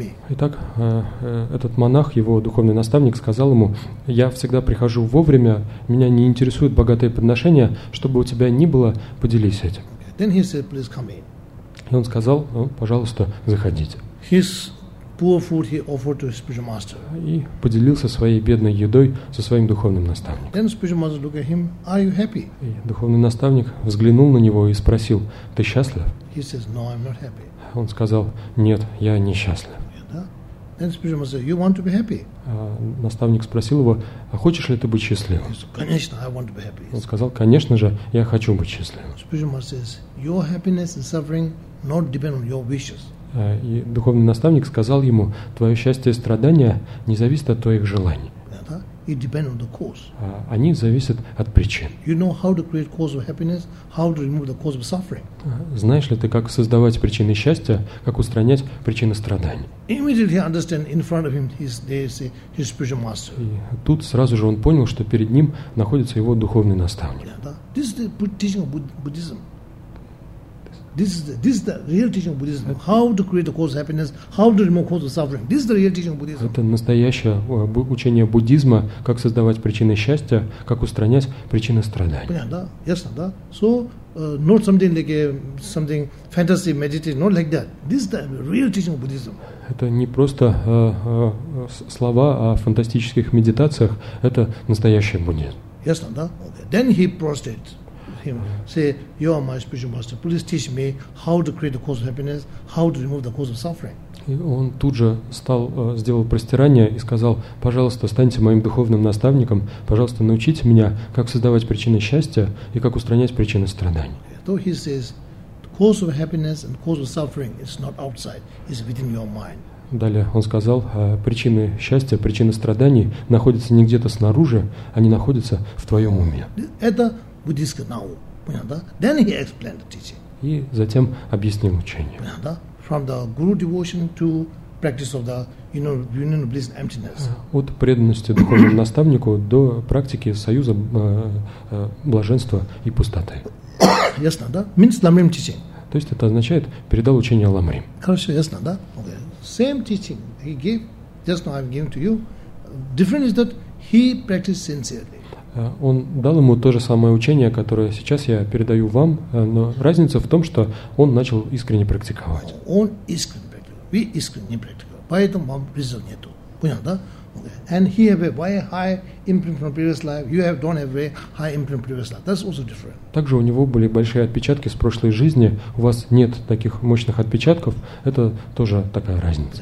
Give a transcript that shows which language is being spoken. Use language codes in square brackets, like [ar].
[ru] Итак, этот монах, его духовный наставник, сказал ему: «Я всегда прихожу вовремя, меня не интересуют богатые подношения, чтобы у тебя ни было, поделись этим». [en] Okay. Then he said, "Please come in." [ru] И он сказал: «Пожалуйста, заходите». [en] His poor food he offered to his spiritual master. [ru] И поделился своей бедной едой со своим духовным наставником. [en] Then spiritual master looked at him, "Are you happy?" [ru] И духовный наставник взглянул на него и спросил: "Ты счастлив?" [en] He says, "No, I'm not happy." [ru] Он сказал: "Нет, я несчастлив." [en] Then spiritual master said, "You want to be happy?" [ru] Наставник спросил его: "А хочешь ли ты быть счастливым?" [en] He said, [ru] "Конечно, [en] I want to be happy." [ru] Он сказал: "Конечно же, я хочу быть счастливым." [en] Spiritual master says, "Your happiness and suffering not depend on your wishes." [ru] И духовный наставник сказал ему: «Твое счастье и страдания не зависят от твоих желаний. [en] It depends on the cause. [ru] Они зависят от причин. [en] You know how to create cause of happiness, how to remove the cause of suffering. [ru] Знаешь ли ты, как создавать причины счастья, как устранять причины страданий? [en] Immediately he understand in front of him his spiritual master. [ru] И тут сразу же он понял, что перед ним находится его духовный наставник. [en] This is the teaching of Buddhism. This is the real teaching of Buddhism. How to create the cause of happiness? How to remove cause of suffering? This is the real teaching of Buddhism. [ru] Это настоящее учение буддизма, как создавать причины счастья, как устранять причины страданий. Понятно, да? Ясно, да? [en] So, not something like something fantasy meditation, not like that. This is the real teaching of Buddhism. [ru] Это не просто слова о фантастических медитациях. Это настоящий буддизм. Ясно, да? [en] Okay. Then he prostrated. Him say, "You are my spiritual master. Please teach me how to create the cause of happiness, how to remove the cause of suffering." [ru] И он тут же стал сделал простирание и сказал: "Пожалуйста, станьте моим духовным наставником. Пожалуйста, научите меня, как создавать причины счастья и как устранять причины страданий." [en] So he says, "The cause of happiness and cause of suffering is not outside; it's within your mind." [ru] Далее он сказал: причины счастья, причины страданий находятся не где-то снаружи, они находятся в твоем уме. Это [en] Buddhist now, [ru] понятно, да? [en] Then he explained the teaching. [ru] И затем объяснил учение. Понятно, да? [en] From the guru devotion to practice of the, you know, union of bliss and emptiness. [ru] От преданности духовному наставнику до практики союза блаженства и пустоты. Ясно, да? [en] Means Lamrim teaching. [ru] То есть это означает передал учение Ламрим. Хорошо, ясно, да? [en] Okay. Same teaching he gave, just now I've given to you. Different is that he practiced sincerely. [ru] Он дал ему то же самое учение, которое сейчас я передаю вам, но разница в том, что он начал искренне практиковать. Он искренне практиковал, вы искренне практиковали, поэтому вам результат нету. Понял, да? [en] Okay. And he have a very high imprint from previous life, you have don't have a very high imprint from previous life. That's also different. [ru] Также у него были большие отпечатки с прошлой жизни, у вас нет таких мощных отпечатков, это тоже такая разница.